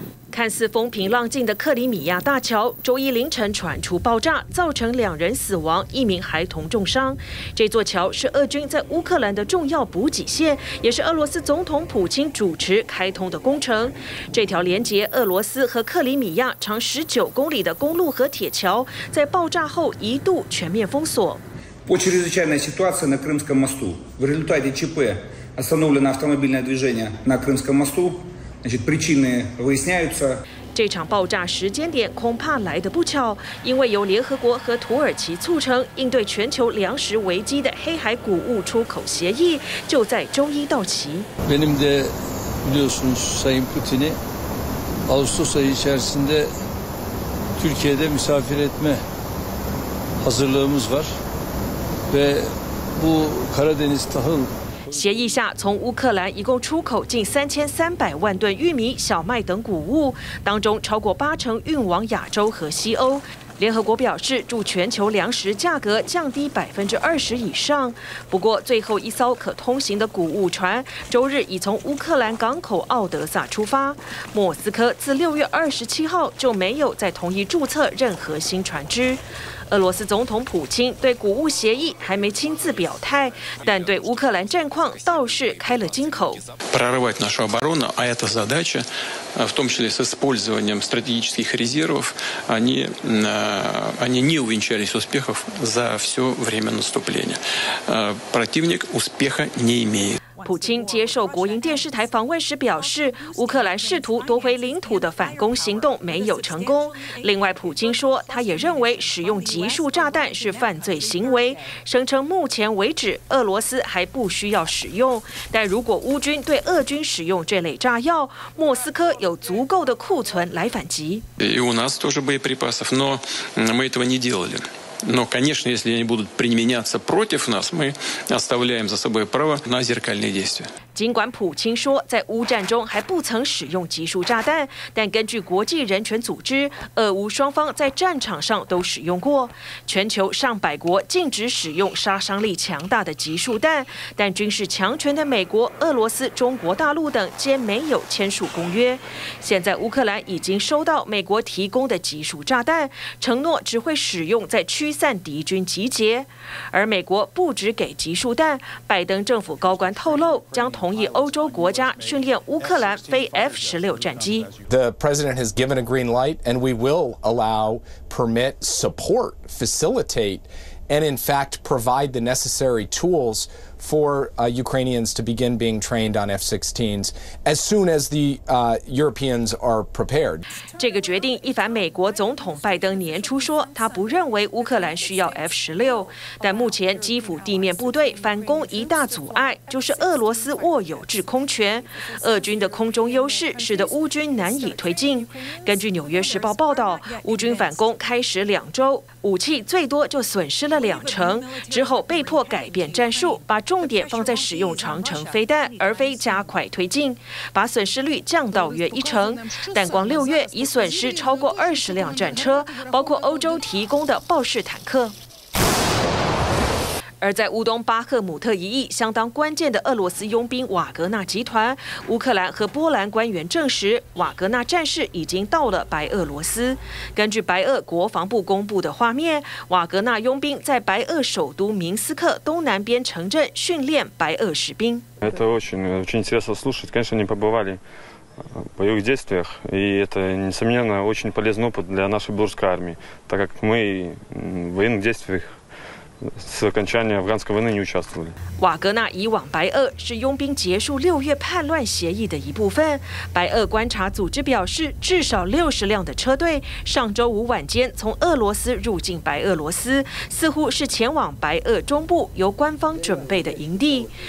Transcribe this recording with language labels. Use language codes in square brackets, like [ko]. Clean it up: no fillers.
[zh] 看似风平浪静的克里米亚大桥周一凌晨传出爆炸，造成两人死亡，一名孩童重伤。这座桥是俄军在乌克兰的重要补给线，也是俄罗斯总统普京主持开通的工程。这条连接俄罗斯和克里米亚长19公里的公路和铁桥在爆炸后一度全面封锁。 [ru] По чрезвычайной ситуации на Крымском мосту в результате ЧП остановлено автомобильное движение на Крымском мосту. Причины выясняются. [zh] 这场爆炸时间点恐怕来得不巧，因为由联合国和土耳其促成应对全球粮食危机的黑海谷物出口协议就在周一到期。 [tr] Benim de biliyorsunuz Sayın Putin'i Ağustos ayı içerisinde Türkiye'de misafir etme hazırlığımız var ve bu Karadeniz tahıl. [zh] 协议下，从乌克兰一共出口近3300万吨玉米、小麦等谷物，当中超过八成运往亚洲和西欧。联合国表示，助全球粮食价格降低20%以上。不过，最后一艘可通行的谷物船周日已从乌克兰港口奥德萨出发。莫斯科自6月27号就没有再同意注册任何新船只。俄罗斯总统普京对谷物协议还没亲自表态，但对乌克兰战况倒是开了金口。 [ru] Прорывать нашу оборону, а эта задача, в том числе с использованием стратегических резервов, они не увенчались успехов за все время наступления. Противник успеха не имеет. [zh] 普京接受国营电视台访问时表示，乌克兰试图夺回领土的反攻行动没有成功。另外，普京说他也认为使用集束炸弹是犯罪行为，声称目前为止俄罗斯还不需要使用，但如果乌军对俄军使用这类炸药，莫斯科有足够的库存来反击。 [ru] И у нас тоже боеприпасов, но мы этого не делали. Но, конечно, если они будут применяться против нас, мы оставляем за собой право на зеркальные действия. [zh] 尽管普京说在乌战中还不曾使用集束炸弹，但根据国际人权组织，俄乌双方在战场上都使用过。全球上百国禁止使用杀伤力强大的集束弹，但军事强权的美国、俄罗斯、中国大陆等皆没有签署公约。现在乌克兰已经收到美国提供的集束炸弹，承诺只会使用在驱散敌军集结。而美国不只给集束弹，拜登政府高官透露将同意欧洲国家训练乌克兰飞 F-16 战机。 [en] The president has given a green light, and we will allow, permit, support, facilitate, and in fact provide the necessary tools for Ukrainians to begin being trained on F-16s as soon as the Europeans are prepared. [zh] 这个决定一反美国总统拜登年初说他不认为乌克兰需要 F-16， 但目前基辅地面部队反攻一大阻碍就是俄罗斯握有制空权，俄军的空中优势使得乌军难以推进。根据《纽约时报》报道，乌军反攻开始两周，武器最多就损失了两成，之后被迫改变战术，把重点放在使用长程飞弹，而非加快推进，把损失率降到约一成。但光六月已损失超过20辆战车，包括欧洲提供的豹式坦克。而在乌东巴赫姆特一役相当关键的俄罗斯佣兵瓦格纳集团，乌克兰和波兰官员证实，瓦格纳战士已经到了白俄罗斯。根据白俄国防部公布的画面，瓦格纳佣兵在白俄首都明斯克东南边城镇训练白俄士兵。 [ru] Это очень интересно слушать. Конечно, они побывали в боевых действиях, и это несомненно очень полезный опыт для нашей белорусской армии, так как мы в военных действиях. [zh] 瓦格纳以往白俄是佣兵结束六月叛乱协议的一部分。白俄观察组织表示，至少60辆的车队上周五晚间从俄罗斯入境白俄罗斯，似乎是前往白俄中部由官方准备的营地。